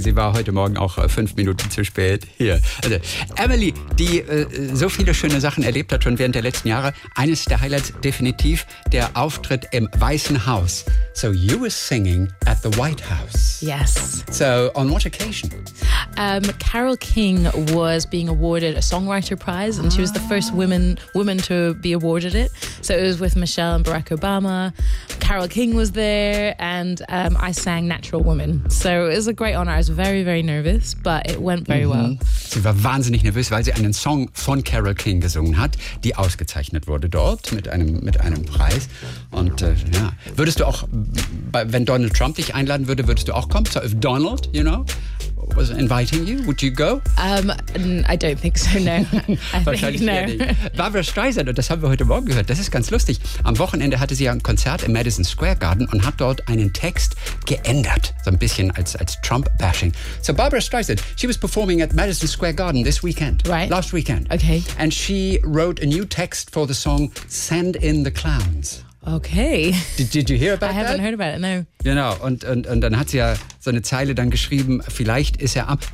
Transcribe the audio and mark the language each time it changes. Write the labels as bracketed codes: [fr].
[de] Sie war heute Morgen auch 5 Minuten zu spät hier. Also, Emily, die so viele schöne Sachen erlebt hat schon während der letzten Jahre. Eines der Highlights definitiv der Auftritt im Weißen Haus. [en] So, you were singing at the White House. Yes. So, on what occasion? Carole King was being awarded a songwriter prize, and she was the first woman to be awarded it. So it was with Michelle and Barack Obama. Carole King was there, and I sang Natural Woman. So it was a great honor. I was very, very nervous, but it went very well. [de] Sie war wahnsinnig nervös, weil sie einen Song von Carole King gesungen hat, die ausgezeichnet wurde dort mit einem Preis. Und ja, würdest du auch, wenn Donald Trump dich einladen würde, würdest du auch kommen? [en] So if Donald, you know, was inviting you, would you go? I don't think so, no. [de] Wahrscheinlich eher nicht. Barbara Streisand, und das haben wir heute Morgen gehört, das ist ganz lustig. Am Wochenende hatte sie ja ein Konzert im Madison Square Garden und hat dort einen Text geändert, so ein bisschen als Trump-Bashing. [en] So Barbara Streisand, she was performing at Madison Square Garden this weekend. Right. Last weekend. Okay. And she wrote a new text for the song Send in the Clowns. Okay. Did you hear about that? I haven't heard about it, no. [de] Genau, und dann hat sie ja so eine Zeile dann geschrieben, vielleicht ist er am...